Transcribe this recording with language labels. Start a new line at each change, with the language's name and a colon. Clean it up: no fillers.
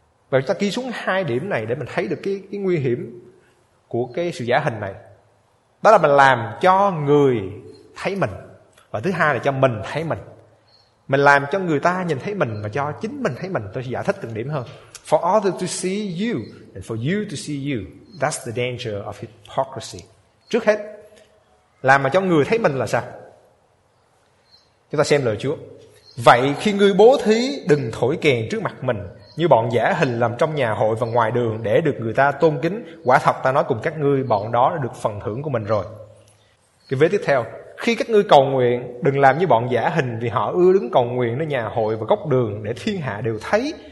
Vietnamese: Và chúng ta ghi xuống hai điểm này để mình thấy được cái nguy hiểm của cái sự giả hình này. Đó là mình làm cho người thấy mình, và thứ hai là cho mình thấy mình. Mình làm cho người ta nhìn thấy mình và cho chính mình thấy mình. Tôi sẽ giải thích từng điểm hơn.
English: For others to see you and for you to see you. That's the danger of hypocrisy.
Vietnamese: Trước hết, làm mà cho người thấy mình là sao? Chúng ta xem lời Chúa. Vậy khi ngươi bố thí, đừng thổi kèn trước mặt mình như bọn giả hình làm trong nhà hội và ngoài đường để được người ta tôn kính. Quả thật ta nói cùng các ngươi, bọn đó đã được phần thưởng của mình rồi. Cái vế tiếp theo, khi các ngươi cầu nguyện, đừng làm như bọn giả hình vì họ ưa đứng cầu nguyện nơi nhà hội và góc đường để thiên hạ đều thấy.